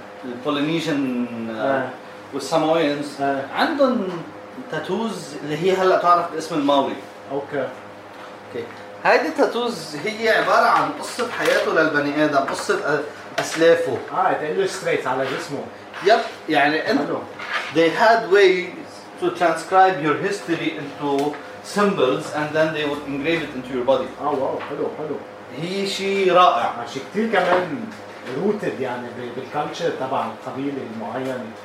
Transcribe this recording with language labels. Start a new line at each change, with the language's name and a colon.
Arabic: البولينيزيان والساموينز عندهم تاتوز اللي هي هلا تعرف باسم الماوري اوكي هيدي تاتوز هي عباره عن قصه حياته للبني ادم قصه اسلافه الستريت على جسمه يب يعني
English: they had ways to transcribe your history into symbols and then they would engrave it into your body
Arabic: واو حلو هي شيء رائع شيء كثير كمان روتد يعني بالكالتشر تبع القبيلة المعينة